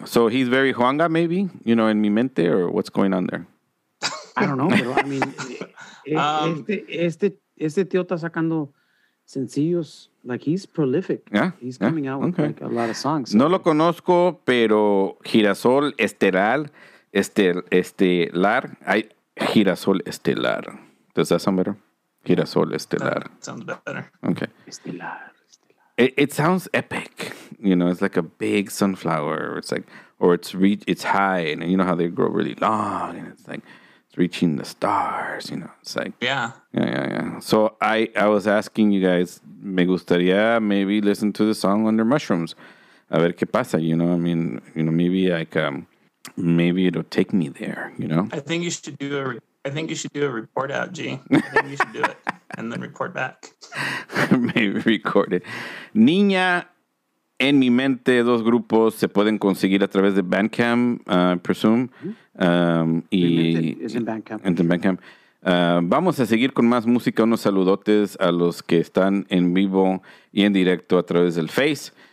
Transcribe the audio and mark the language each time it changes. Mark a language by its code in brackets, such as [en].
[en] So he's very Juanga, maybe, you know, En Mi Mente, or what's going on there? I don't know, [es] pero [en] I mean, [es] este tío está sacando sencillos. [en] Like, he's prolific. Yeah, he's coming out with like a lot of songs. [es] No lo conozco, pero Girasol Estelar, Girasol Estelar. [en] Does that sound better? Girasol Estelar. Sounds better. Okay. [es] Estelar. [en] It sounds epic. You know, it's like a big sunflower. It's like, or it's high. And you know how they grow really long. And it's like, it's reaching the stars. You know, it's like. Yeah. So I was asking you guys, [es] me gustaría [en] maybe listen to the song Under Mushrooms. [es] A ver qué pasa. [en] You know, I mean, you know, maybe like, maybe it'll take me there, you know? I think you should do a report out, G. I think you should do it and then report back. Maybe record it. [es] Niña, En Mi Mente, dos grupos se pueden conseguir a través de Bandcamp, [en] I presume. Mm-hmm. Y is in Bandcamp. And in Bandcamp. [es] Vamos a seguir con más música. Unos saludotes a los que están en vivo y en directo a través del Face.